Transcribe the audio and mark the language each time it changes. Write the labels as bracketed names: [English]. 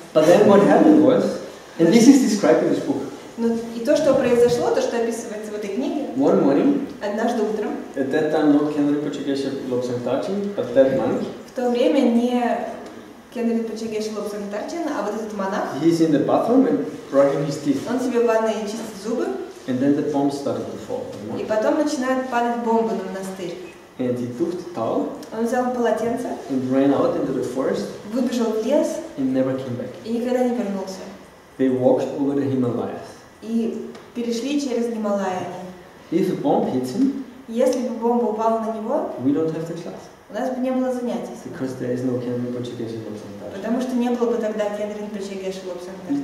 [English] But then what happened was, and this is described in this book. [Russian] Ну, и то, что произошло, то, что описывается в этой книге. [English] One morning. [Russian] Однажды утром. [English] At that time, not Ken Rinpoche Geshe Lobsang Dachin, but that monk. [Russian] В то время не Ken Rinpoche Geshe Lobsang Dachin, а вот этот монах. [English] He's in the bathroom and brushing his teeth. [Russian] Он себе в ванной чистит зубы. [English] And then the bomb started to fall. [Russian] И потом начинают падать бомбы на монастырь. [English] And he took the towel. [Russian] Он взял полотенце. [English] And ran out into the forest. [Russian] Выбежал в лес. [English] And never came back. [Russian] И никогда не вернулся. [English] They walked over the Himalayas. [Russian] И перешли через Гималаи. [English] If a bomb hits him. [Russian] Если бы бомба упала на него. [English] We don't have the class. [Russian] У нас бы не было занятий. [English] Because there is no Ken Rinpoche Geshe Lobsang Dachin. [Russian] Потому что не было бы тогда Ken Rinpoche Geshe Lobsang Dachin.